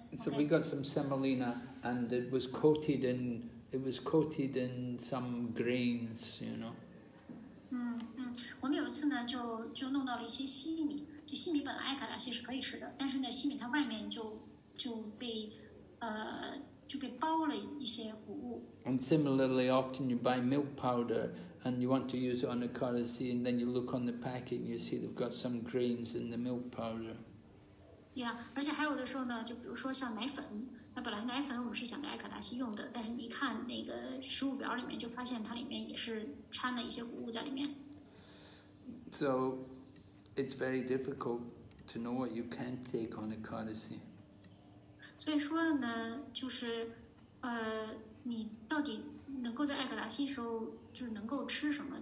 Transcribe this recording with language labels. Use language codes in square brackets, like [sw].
[en] So we got some semolina, and it was coated in some grains, you know. [zh] 我们有一次呢，就弄到了一些西米。这西米本来艾卡达西是可以吃的，但是呢，西米它外面就被包了一些谷物。 [en] And similarly, often you buy milk powder, and you want to use it on a karasi, and then you look on the packet and you see they've got some grains in the milk powder. [zh] Yeah, 而且还有的时候呢，就比如说像奶粉，那本来奶粉我们是想给艾卡达西用的，但是你看那个食物表里面就发现它里面也是掺了一些谷物在里面。 [en] So, it's very difficult to know what you can take on a karasi. [zh] 所以说呢，就是，你到底能够在艾卡达西时候就是能够吃什么？